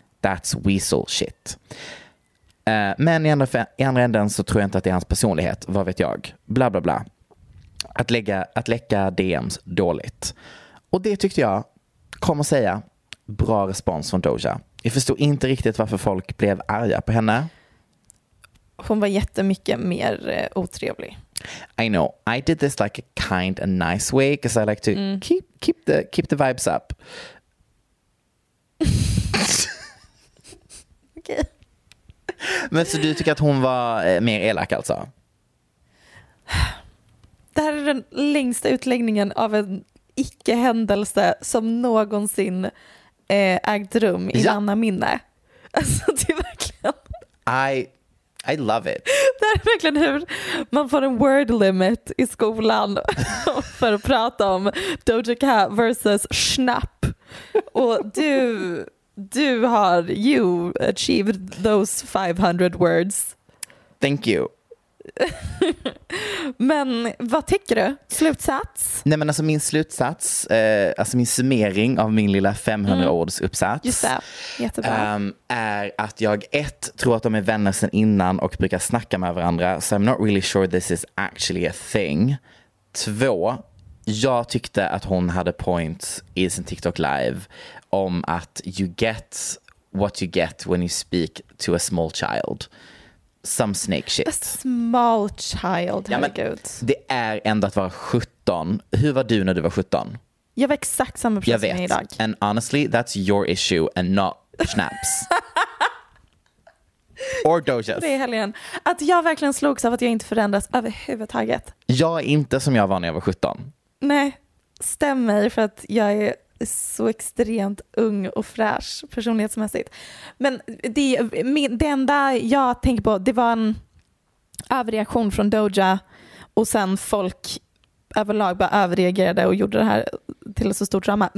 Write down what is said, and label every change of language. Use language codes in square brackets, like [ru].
[en] That's weasel shit. [sv] Men i andra änden så tror jag inte att det är hans personlighet. Vad vet jag? Bla bla bla. Att läcka DMs dåligt. Och det tyckte jag kom att säga. Bra respons från Doja. Jag förstod inte riktigt varför folk blev arga på henne. Hon var jättemycket mer otrevlig. [en] I know. I did this like a kind and nice way because I like to keep the vibes up. Okay. [sv] Men så du tycker att hon var mer elak alltså? Det här är den längsta utläggningen av en icke-händelse som någonsin ägt rum i Lanna minne. Alltså det är verkligen [en] I love it. [sv] Det är verkligen hur man får en word limit i skolan för att prata om Doja Cat versus Schnapp. Och du har, [en] you achieved those 500 words. Thank you. [sv] Men vad tycker du? Slutsats? Nej, men alltså min slutsats, alltså min summering av min lilla 500-ords uppsats. Just det, jättebra. Är att jag ett tror att de är vänner sedan innan och brukar snacka med varandra. [en] So I'm not really sure this is actually a thing. [sv] Två, jag tyckte att hon hade points i sin TikTok live om att [en] you get what you get when you speak to a small child. some snake shit. A small child, [sv] herregud. Ja, det är ändå att vara 17. Hur var du när du var 17? Jag var exakt samma person som idag. [en] And honestly, that's your issue and not Schnapps. Or Doja's. [sv] Det är helgen. Att jag verkligen slogs av att jag inte förändras överhuvudtaget. Jag är inte som jag var när jag var 17. Nej, stämmer, för att jag är så extremt ung och fräsch personlighetsmässigt. Men det enda jag tänker på, det var en överreaktion från Doja och sen folk överlag bara överreagerade och gjorde det här till ett så stort drama.